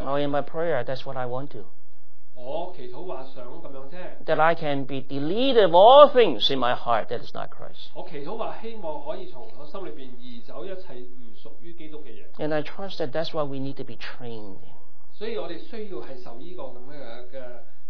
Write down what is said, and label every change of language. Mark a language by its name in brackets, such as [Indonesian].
[English] Oh, in my prayer, that's what I want to [Chinese] 我祈祷说想这样 [English] That I can be deleted of all things in my heart that is not Christ [Chinese] 我祈祷说希望可以从我心里面移走一切不属于基督的东 [English] 西 And I trust that that's what we need to be trained in [Chinese] 所以我们需要是受这个这样的